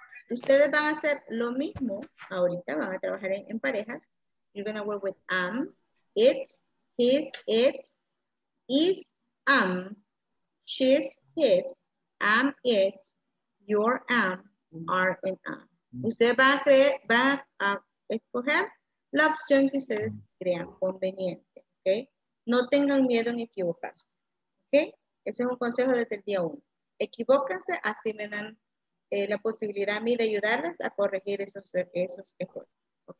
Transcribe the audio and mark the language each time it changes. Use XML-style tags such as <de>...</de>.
<es>Ustedes van a hacer lo mismo ahorita, van a trabajar en parejas.</es> <en>You're going to work with am, it's, his, it's, is, am, she's, his, am, it's, your, am, are, and am.</en> <es>Ustedes van a creer, van a escoger la opción que ustedes crean conveniente, ¿ok? No tengan miedo en equivocarse, ¿ok? Ese es un consejo desde el día uno. Equivóquense, así me dan la posibilidad a mí de ayudarles a corregir esos errores, ¿ok?</es>